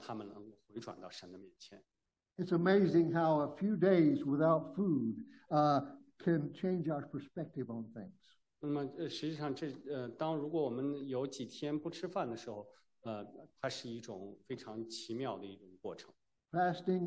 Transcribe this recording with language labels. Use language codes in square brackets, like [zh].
[zh] 那么在这里面他诗人所讲的就是说，实际上是当这些人他有病的时候，诗人便穿起了麻衣进食，然后用这种方式来告诉他们，来求神让他们能够回转到神的面前。 [en] It's amazing how a few days without food can change our perspective on things. [zh] 那么实际上这当如果我们有几天不吃饭的时候，它是一种非常奇妙的一种过程。 [en] Fasting